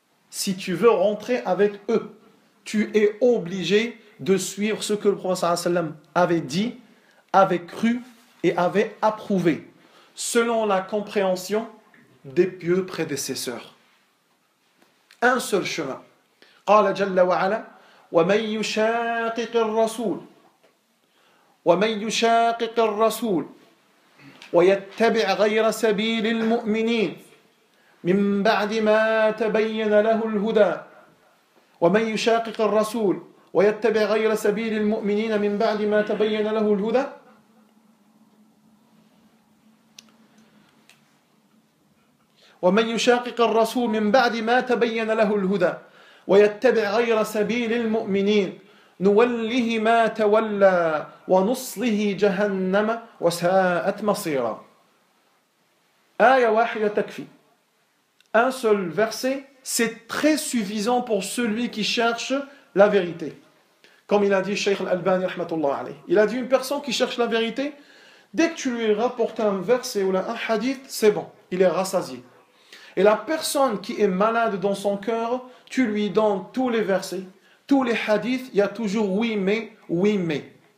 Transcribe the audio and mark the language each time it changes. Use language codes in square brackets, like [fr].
[fr] Si tu veux rentrer avec eux, tu es obligé de suivre ce que le prophète avait dit, avait cru et avait approuvé, selon la compréhension des pieux prédécesseurs. Un seul chemin. [ar] قال جل وعلا ومن يشاقق الرسول ومن يشاقق الرسول ويتبع غير سبيل المؤمنين من بعد ما تبين له الهدى ومن يشاقق الرسول ويتبع غير سبيل المؤمنين من بعد ما تبين له الهدى ومن يشاقق الرسول من بعد ما تبين له الهدى ويتبع غير سبيل المؤمنين نوله ما تولى ونصله جهنم وساءت مصيرا آية واحدة تكفي. [fr] Un seul verset, c'est très suffisant pour celui qui cherche la vérité. Comme il a dit Cheikh Al-Albani, rahmatullah alayhi. Il a dit, une personne qui cherche la vérité, dès que tu lui rapportes un verset ou un hadith, c'est bon, il est rassasié. Et la personne qui est malade dans son cœur, tu lui donnes tous les versets, tous les hadiths, il y a toujours oui mais, oui mais.